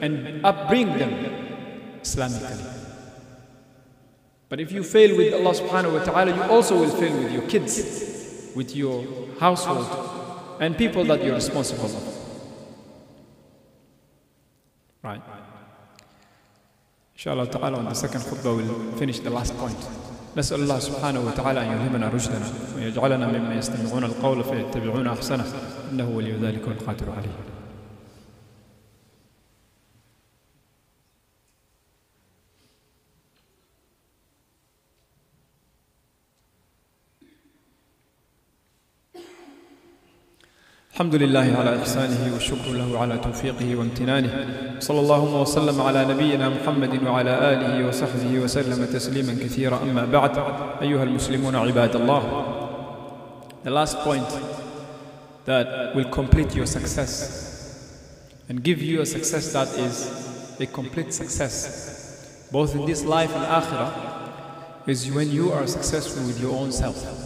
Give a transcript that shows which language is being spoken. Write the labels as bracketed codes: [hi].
[en] and upbring them Islamically. But if you fail with Allah subhanahu wa ta'ala, you also will fail with your kids, with your household, and people that you're responsible for. Right. Inshallah ta'ala, on the second khutbah, we'll finish the last point. [ar] نسأل الله سبحانه وتعالى أن يلهمنا رشدنا ويجعلنا ممن يستمعون القول فيتبعون أحسنه إنه ولي ذلك والقادر عليه. الحمد لله على إحسانه والشكر له على توفيقه وامتنانه، صلى الله وسلم على نبينا محمد وعلى آله وصحبه وسلم تسليما كثيرا. أما بعد، أيها المسلمون عباد الله، [en] the last point that will complete your success and give you a success that is a complete success both in this life and آخرة is when you are successful with your own self.